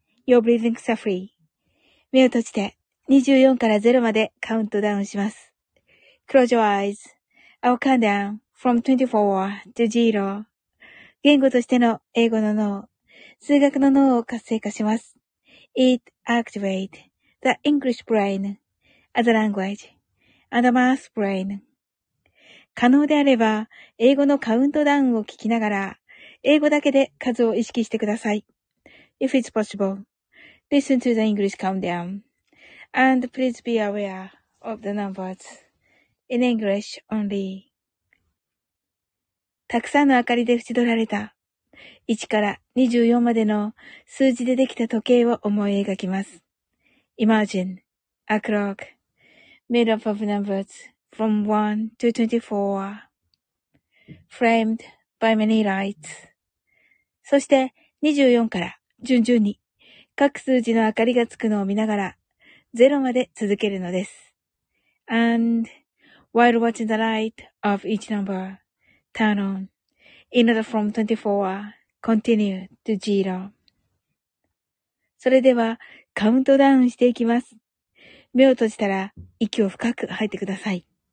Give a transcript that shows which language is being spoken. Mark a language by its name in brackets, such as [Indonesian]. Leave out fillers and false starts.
[English] Your breathings are free. [Japanese] 目を閉じて24から0までカウントダウンします。 [English] Close your eyes. I'll count down from 24 to 0. [Japanese] 言語としての英語の脳、数学の脳を活性化します。 [English] It activates the English brain as a language. アドマースブレイン。 [Japanese] 可能であれば、英語のカウントダウンを聞きながら、英語だけで数を意識してください。 [English] If it's possible, listen to the English countdown. And please be aware of the numbers in English only. [Japanese] たくさんの明かりで縁取られた、1から24までの数字でできた時計を思い描きます。 [English] Imagine a clock. Made up of numbers from 1 to 24, framed by many lights. [Japanese] そして24から順々に各数字の明かりがつくのを見ながら0まで続けるのです。 [English] And while watching the light of each number turn on, in order from 24, continue to 0. [Japanese] それではカウントダウンしていきます。目を閉じたら息を深く吐いてください。